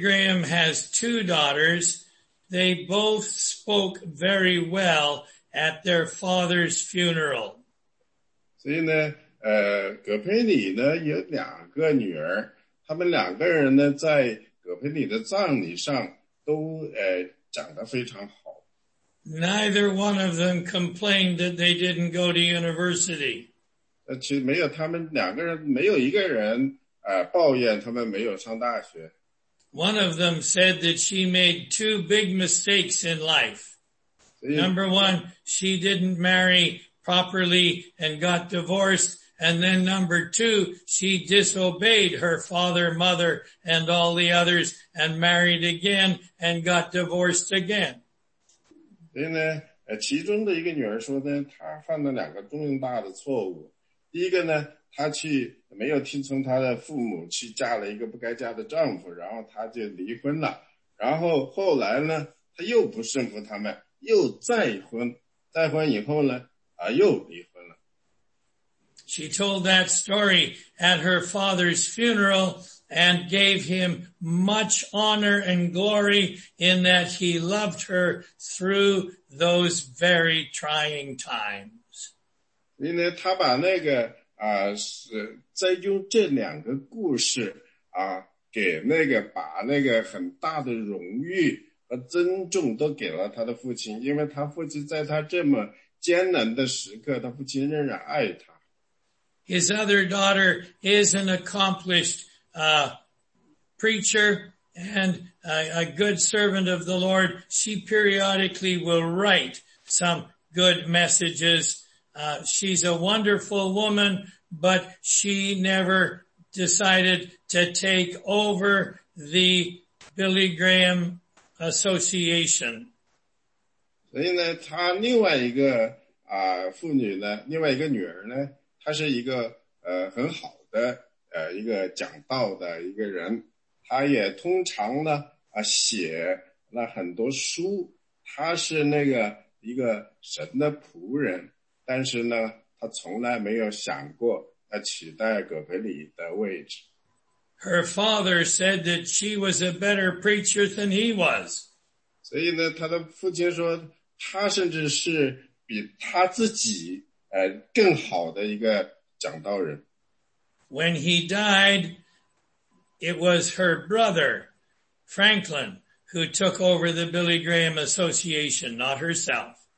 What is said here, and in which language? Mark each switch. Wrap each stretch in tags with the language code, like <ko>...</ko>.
<en>Graham has two daughters. They both spoke very well at their father's funeral.</en> <zh>所以呢，葛佩里呢有两个女儿，他们两个人呢在葛佩里的葬礼上都长得非常好。</zh> <en>Neither one of them complained that they didn't go to university.</en> <zh>其实没有，他们两个人没有一个人抱怨他们没有上大学。</zh> <en>One of them said that she made two big mistakes in life. Number one, she didn't marry properly and got divorced. And then number two, she disobeyed her father, mother, and all the others and married again and got divorced again.</en> <zh>所以呢，其中的一个女儿说呢，她犯了两个重大的错误。第一个呢，她去没有听从她的父母，去嫁了一个不该嫁的丈夫，然后她就离婚了。然后后来呢，她又不顺服他们，又再婚。再婚以后呢，又离婚了。</zh> <en>She told that story at her father's funeral and gave him much honor and glory in that he loved her through those very trying times.</en> <zh>因为他把那个是在用这两个故事给那个把那个很大的荣誉和尊重都给了他的父亲，因为他父亲在他这么艰难的时刻，他父亲仍然爱他。</zh> <en>His other daughter is an accomplished preacher and a good servant of the Lord. She periodically will write some good messages. She's a wonderful woman, but she never decided to take over the Billy Graham Association.</en> <zh>所以呢，她另外一个妇女呢，另外一个女儿呢，她是一个很好的一个讲道的一个人，她也通常呢写了很多书，她是那个一个神的仆人，但是呢，她从来没有想过要取代葛培里的位置。</zh> <en>Her father said that she was a better preacher than he was.</en> <zh>所以呢，她的父亲说，她甚至是比她自己更好的一个讲道人。</zh> <en>When he died, it was her brother, Franklin, who took over the Billy Graham Association, not herself.</en>